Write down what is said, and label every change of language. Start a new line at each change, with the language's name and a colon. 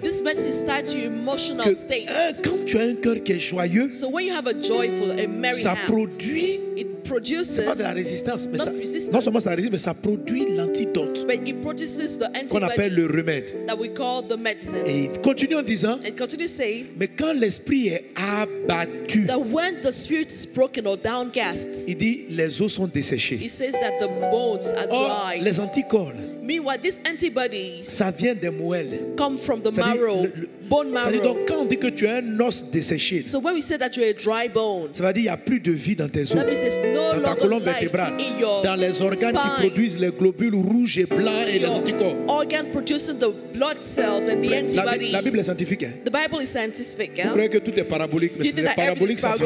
English: This medicine is tied to your emotional state.
French: Quand tu as un cœur qui est joyeux
English: so when you have a joyful, a merry
French: ça produit
English: hand, produces
French: pas de la résistance, mais ça, non seulement ça résiste, mais ça produit l'antidote.
English: But it produces the antidote
French: qu'on appelle le remède.
English: That we call the medicine.
French: Et il continue en disant.
English: And continue saying.
French: Mais quand l'esprit est abattu.
English: That when the spirit is broken or downcast.
French: Il dit les os sont desséchés.
English: He says that the bones are dry.
French: Or, les anticorps.
English: Meanwhile, these antibodies
French: ça vient des moelles.
English: Come from the marrow, bone marrow.
French: Ça veut dire quand on dit que tu as un os desséché.
English: So when we say that you are a dry bone.
French: Ça veut dire il y a plus de vie dans tes os.
English: That means there's no
French: dans ta colonne vertébrale, dans les organes
English: spine,
French: qui produisent les globules rouges et blancs et les anticorps.
English: Organ producing the blood cells and the antibodies.
French: La Bible est scientifique. Hein?
English: The Bible is scientific.
French: Vous croyez que tout est parabolique, mais c'est parabolique.